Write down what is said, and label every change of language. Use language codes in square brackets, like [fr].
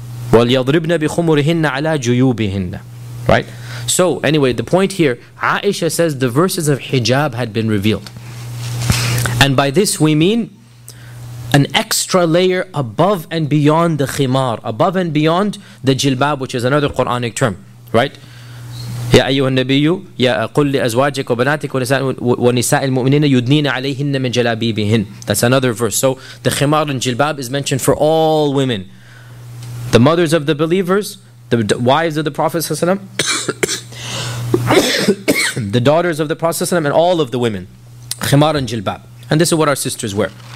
[ar] وَلْيَضْرِبْنَ بِخُمُرِهِنَّ عَلَى جُيُوبِهِنَّ. [en] Right? So anyway, the point here, Aisha says the verses of hijab had been revealed. And by this we mean an extra layer above and beyond the khimar, above and beyond the jilbab, which is another Quranic term. Right? [ar] يا أيها النبي يا قل لأزواجك وبناتك ونساء المؤمنين يدنين عليهن من جلابيبهن. [en] That's another verse. So the khimar and jilbab is mentioned for all women. The mothers of the believers, the wives of the Prophet ﷺ, the daughters of the Prophet ﷺ, and all of the women. Khimar and jilbab. And this is what our sisters wear.